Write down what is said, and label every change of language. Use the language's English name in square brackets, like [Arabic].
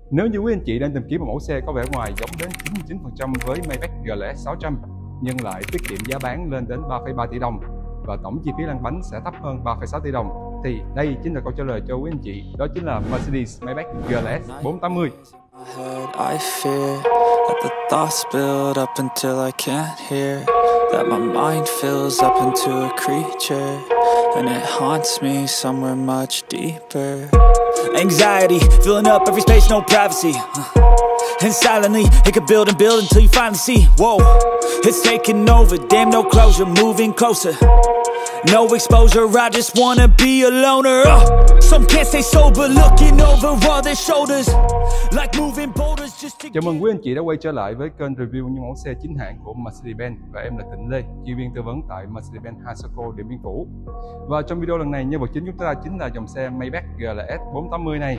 [Vietnamese] Nếu như quý anh chị đang tìm kiếm một mẫu xe có vẻ ngoài giống đến 99% với Maybach GLS 600, nhưng lại tiết kiệm giá bán lên đến 3,3 tỷ đồng và tổng chi phí lăn bánh sẽ thấp hơn 3,6 tỷ đồng, thì đây chính là câu trả lời cho quý anh chị, đó chính là Mercedes Maybach GLS 480. [English] I fear that the thoughts build up until I can't hear, that my mind fills up into a creature and it haunts me somewhere much deeper. Anxiety filling up every space, no privacy, and silently it could build and build until you finally see, whoa, it's taking over, damn no closure, moving closer, no exposure, I just wanna be a loner. Some can't stay sober, looking over all their shoulders, like moving boulders just to... [Vietnamese] Chào mừng quý anh chị đã quay trở lại với kênh review những mẫu xe chính hãng của Mercedes-Benz. Và em là Thịnh Lê, chuyên viên tư vấn tại Mercedes-Benz Hasako Điện Biên Phủ. Và trong video lần này, nhân vật chính chúng ta chính là dòng xe Maybach GLS 480 này.